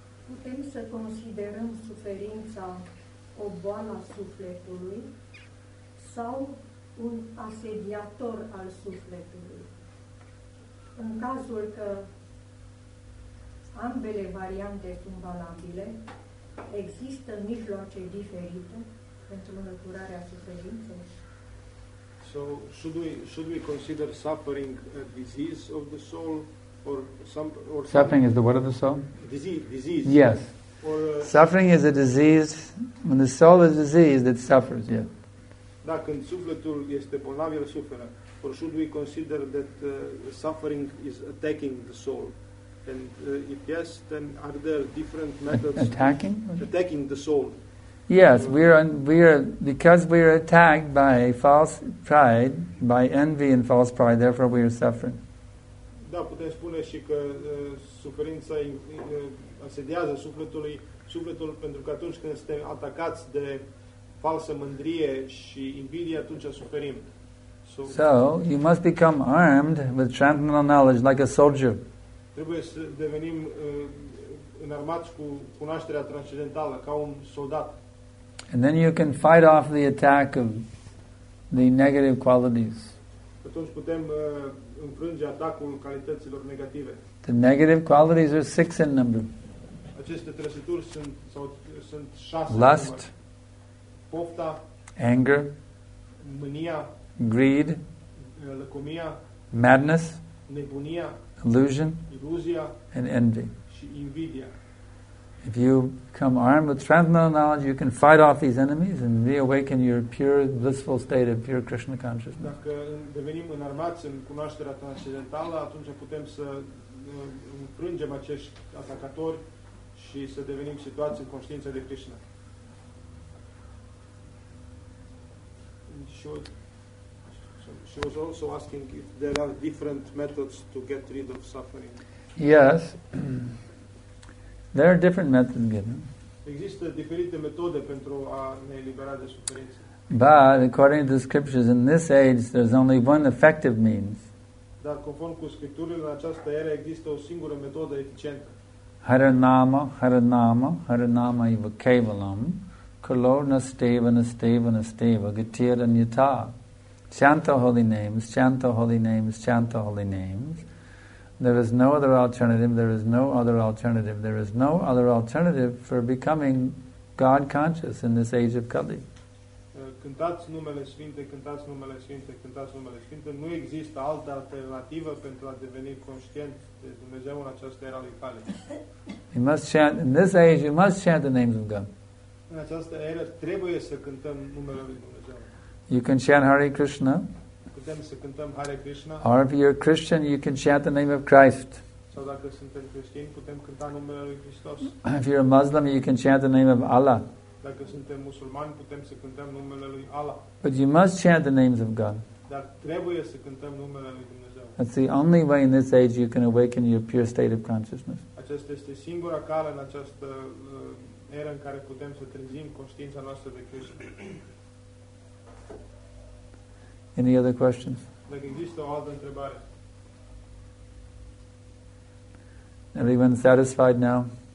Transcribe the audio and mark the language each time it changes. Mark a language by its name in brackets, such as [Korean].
[Romanian] Putem să considerăm suferința o boală a sufletului sau un asediator al sufletului? În cazul că ambele variante sunt valabile, există mijloace diferite pentru înlăturarea suferinței? [English] So should we consider suffering a disease of the soul, or something? Suffering is the what of the soul? Disease. Yes. Suffering is a disease. When the soul is diseased, it suffers. Yeah. [Romanian] Da, când sufletul este bolnav, el suferă. [English] Or should we consider that suffering is attacking the soul? And if yes, then are there different methods? Attacking the soul. Yes, we are because we are attacked by false pride, by envy and false pride, therefore we are suffering. [Romanian] Da, putem spune și că suferința asediază sufletului, sufletul, pentru că atunci când suntem atacați de falsă mândrie și invidie, atunci suferim. [English] So you must become armed with transcendental knowledge like a soldier. [Romanian] Trebuie să devenim înarmați cu cunoașterea transcendentală ca un soldat. [English] And then you can fight off the attack of the negative qualities. [Romanian] Atunci putem înfrânge atacul calităților negative. [English] The negative qualities are six in number. [Romanian] Aceste trăsături sunt șase. [English] Lust, [Romanian] pofta, [English] anger, [Romanian] mânia, [English] greed, [Romanian] lăcomia, [English] madness, [Romanian] nebunia, [English] illusion, [Romanian] iluzia, [English] and envy. [Romanian] Și invidia. [English] If you come armed with transcendental knowledge, you can fight off these enemies and reawaken your pure, blissful state of pure Krishna consciousness. [Romanian] Dacă devenim înarmați în cunoașterea transcendentală, atunci putem să înfrângem acești atacatori și să devenim situați în conștiință de Krishna. [English] Yes. She was also asking if there are different methods to get rid of suffering. Yes. There are different methods given. [Romanian] Există diferite metode pentru a ne elibera de suferință. [English] But according to the scriptures, in this age, there's only one effective means. [Romanian] Dar conform cu scripturile, în această era există o singură metodă eficientă. [Sanskrit] Haranama, haranama, haranama eva kevalam, kalo nasteva nasteva nasteva, gatira nyata. [English] Chant the holy names, chant the holy names, chant the holy names. There is no other alternative, there is no other alternative, there is no other alternative for becoming God conscious in this age of Kali. [Romanian] Cântați numele Sfinte, cântați numele Sfinte, cântați numele Sfinte. Nu există altă alternativă pentru a deveni conștient de Dumnezeu în această era lui Kali. [English] You must chant, in this age, you must chant the names of God. [Romanian] În această era trebuie să cântăm numele lui Dumnezeu. [English] You can chant Hare Krishna. [Romanian] Putem să cântăm Hare Krishna. [English] Or if you're a Christian, you can chant the name of Christ. [Romanian] Sau dacă suntem creștini, putem cânta numele lui Hristos. [English] If you're a Muslim, you can chant the name of Allah. [Romanian] Dacă suntem musulmani, putem să cântăm numele lui Allah. [English] But you must chant the names of God. [Romanian] Dar trebuie să cântăm numele lui Dumnezeu. [English] That's the only way in this age you can awaken your pure state of consciousness. [Romanian] Aceasta este singura cale în această era în care putem să trezim conștiința noastră de Krishna. [English] Any other questions? [Romanian] Dacă există o altă întrebare. [English] Everyone satisfied now?